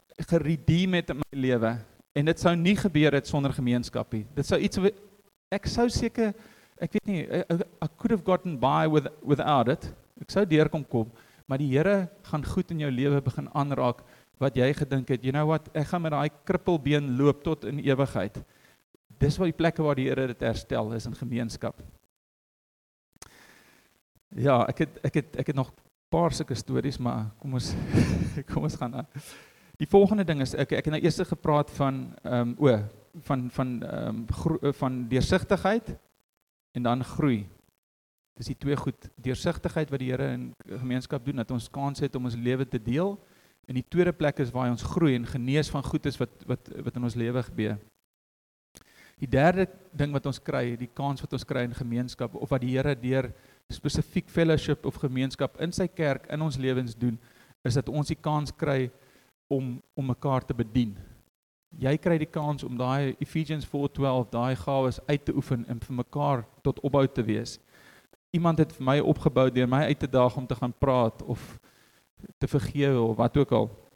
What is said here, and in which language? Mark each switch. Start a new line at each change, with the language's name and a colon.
Afrikaans: geredeem het in my lewe, en dit sou nie gebeur het sonder gemeenskapie, dit sou iets, ek sou seker, ek weet nie,
English: I could have gotten by without it,
Afrikaans: ek sou deur kom kom, maar die Heere gaan goed in jou lewe begin aanraak, wat jy gedink het,
English: you know what,
Afrikaans: ek gaan met die krippelbeen loop tot in ewigheid. Dis wat die plekke waar die Here dit herstel is in gemeenskap. Ja, ek het nog paar sulke stories, maar kom ons gaan aan. Die volgende ding is ek het nou eers gepraat van deursigtigheid en dan groei. Dis die twee goed, deursigtigheid wat die Here in gemeenskap doen dat ons kans het om ons lewe te deel. En die tweede plek is waar ons groei en genees van goed is wat in ons lewe gebeur. Die derde ding wat ons kry, die kans wat ons kry in gemeenskap of wat die Here deur spesifiek fellowship of gemeenskap in sy kerk in ons lewens doen, is dat ons die kans kry om mekaar te bedien. Jy kry die kans om daai Ephesians 4:12, daai gawes uit te oefen en vir mekaar tot opbou te wees. Iemand het vir my opgebou deur my uit te daag om te gaan praat of te vergewe of wat ook al.